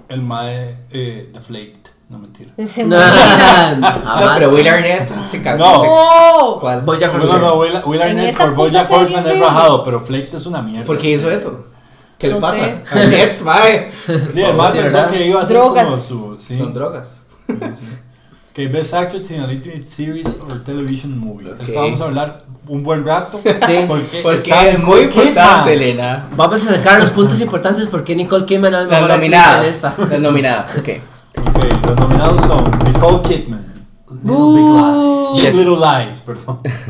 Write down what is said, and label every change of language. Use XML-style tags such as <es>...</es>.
<es>el mae de Flaked. No, mentira. Pero Will Arnett se cambió. No. ¿Cuál? Bojack Horseman. No, Will Arnett por Bojack Horseman es rajado, pero Flaked es una mierda. ¿Por qué hizo eso? ¿Qué le pasa? Arnett, mae. Además pensó que iba a ser como su... Son drogas.</es> <en>Okay, best actress in a limited series or television movie. Okay.</en> <es>Estábamos a hablar un buen rato. Sí. Porque es muy importante, Elena. Vamos a sacar los puntos importantes porque Nicole Kidman es la mejor actriz en esta. La nominada. Okay. Los nominados son Nicole Kidman, Little Lies, perdón.</es>